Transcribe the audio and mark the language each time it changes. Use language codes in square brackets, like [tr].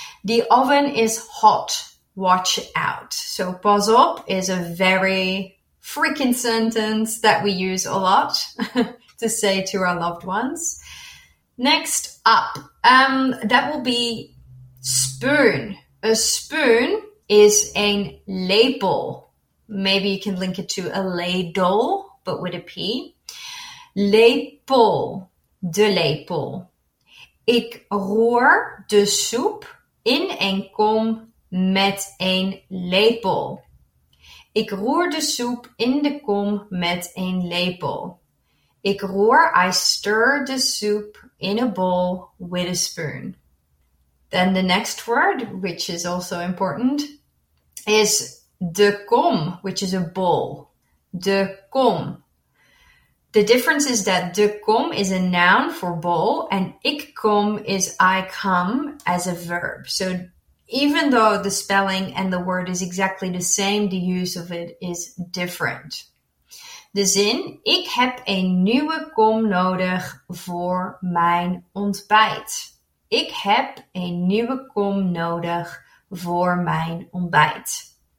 [en] The oven is hot. Watch out. So pas op is a very freaking sentence that we use a lot to say to our loved ones. Next up, that will be spoon. A spoon is a ladle. Maybe you can link it to a ladle, but with a P. [nl] Lepel, de lepel. Ik roer de soep in een kom met een lepel. Ik roer de soep in de kom met een lepel. Ik roer, [en] I stir the soup in a bowl with a spoon. Then the next word, which is also important, is de kom, which is a bowl. De kom. The difference is that de kom is a noun for bowl and ik kom is I come as a verb. So even though the spelling and the word is exactly the same, the use of it is different. [nl] De zin, ik heb een nieuwe kom nodig voor mijn ontbijt. Ik heb een nieuwe kom nodig voor mijn ontbijt.